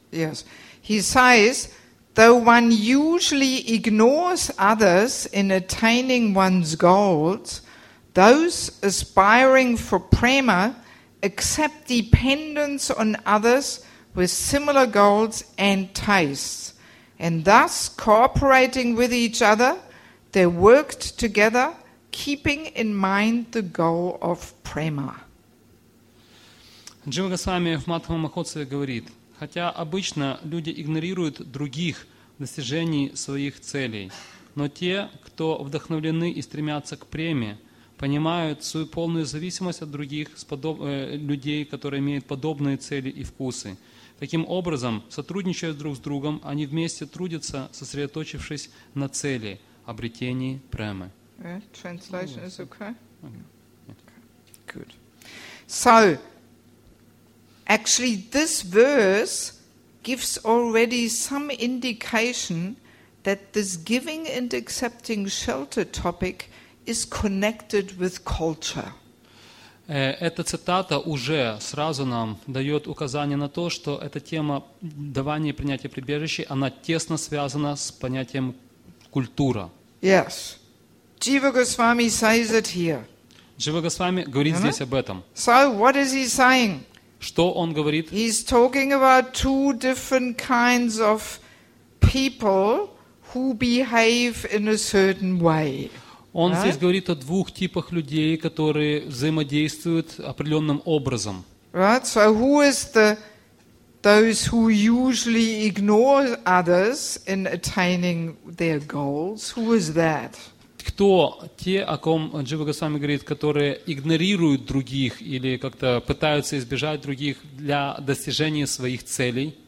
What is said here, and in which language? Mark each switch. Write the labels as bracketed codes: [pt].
[en] Yes. He says, though one usually ignores others in attaining one's goals, those aspiring for prema accept dependence on others with similar goals and tastes. And thus, cooperating with each other, they worked together, keeping in mind the goal of prema. [ru] Джива Госвами в Мадхава Махотсаве говорит, хотя обычно люди игнорируют других достижений своих целей, но те, кто вдохновлены и стремятся к преме, понимают свою полную зависимость от других людей, которые имеют подобные цели и вкусы. Таким образом, сотрудничая друг с другом, они вместе трудятся, сосредоточившись на цели обретении премы. [en] Translation is okay? Okay. Good. So, actually, this verse gives already some indication that this giving and accepting shelter topic is connected with culture. [ru] Эта цитата уже сразу нам дает указание на то, что эта тема давания и принятия прибежища, она тесно связана с понятием культура. [en] Yes. Jiva Goswami says it here. [ru] Jiva Goswami говорит здесь об этом. [en] So what is he saying? [ru] Что он говорит? [en] He's talking about two different kinds of people who behave in a certain way. [ru] Он здесь говорит о двух типах людей, которые взаимодействуют определенным образом. [en] Right? So who is those who usually ignore others in attaining their goals? Who is that? [ru] Кто те, о ком Джива Госвами говорит, которые игнорируют других или как-то пытаются избежать других для достижения своих целей?